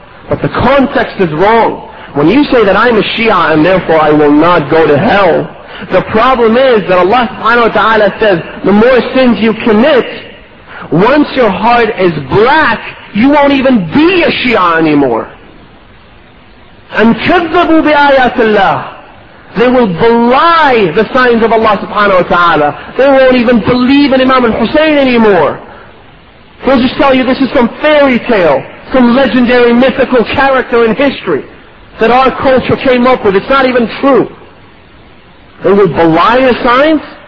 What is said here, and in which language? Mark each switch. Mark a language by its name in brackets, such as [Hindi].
[English] But the context is wrong. When you say that I'm a Shia and therefore I will not go to hell, the problem is that Allah subhanahu wa ta'ala says, the more sins you commit, once your heart is black, you won't even be a Shia anymore. [Arabic] And كذبوا بآيات الله. [English] They will belie the signs of Allah subhanahu wa ta'ala. They won't even believe in Imam al-Hussein anymore. They'll just tell you this is some fairy tale, some legendary mythical character in history that our culture came up with. It's not even true. They will belie the signs.